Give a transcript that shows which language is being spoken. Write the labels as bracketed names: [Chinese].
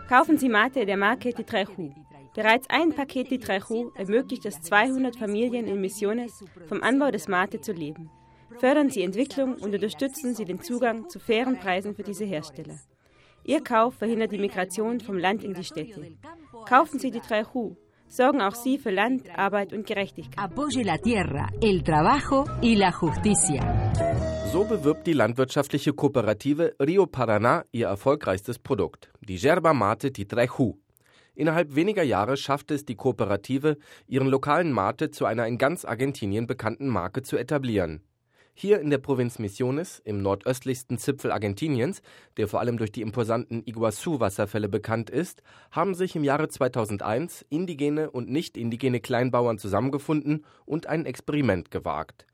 [German] Kaufen Sie Mate der Marke Titraihu. Bereits ein Paket Titraihu ermöglicht es 200 Familien in Misiones, vom Anbau des Mate zu leben. Fördern Sie Entwicklung und unterstützen Sie den Zugang zu fairen Preisen für diese Hersteller. Ihr Kauf verhindert die Migration vom Land in die Städte. Kaufen Sie Titraihu. Sorgen auch Sie für Land, Arbeit und Gerechtigkeit. [Spanish] Apoye la tierra, el trabajo y la justicia. [German] So bewirbt die landwirtschaftliche Kooperative Rio Paraná ihr erfolgreichstes Produkt, die Yerba Mate Titraihu. Innerhalb weniger Jahre schaffte es die Kooperative, ihren lokalen Mate zu einer in ganz Argentinien bekannten Marke zu etablieren. Hier in der Provinz Misiones, im nordöstlichsten Zipfel Argentiniens, der vor allem durch die imposanten Iguazú-Wasserfälle bekannt ist, haben sich im Jahre 2001 indigene und nicht-indigene Kleinbauern zusammengefunden und ein Experiment gewagt.